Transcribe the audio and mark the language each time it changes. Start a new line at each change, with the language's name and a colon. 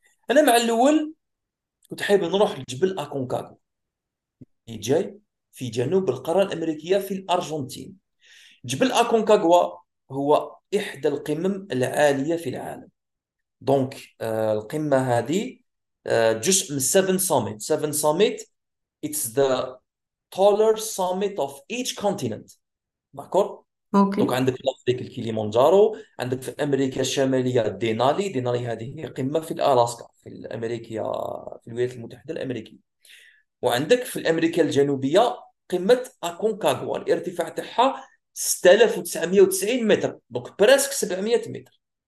Arabic: انا مع الاول كنت حابب نروح لجبل اكونكاغو اللي جاي في جنوب القاره الامريكيه في الارجنتين. جبل اكونكاغوا هو إحدى القمم العالية في العالم، دونك القمة هذه جزء من 7 summit.
English: 7 summit it's the taller summit of each continent. داكور، okay.
Arabic: دونك عندك في الأفريق الكليمانجارو، عندك في أمريكا الشمالية دينالي هذه هي قمة في الألاسكا في الأمريكا في الولايات المتحدة الأمريكية، وعندك في أمريكا الجنوبية قمة أكونكاغوا الارتفاع تاعها 6990 متر، دونك براسك 700 متر.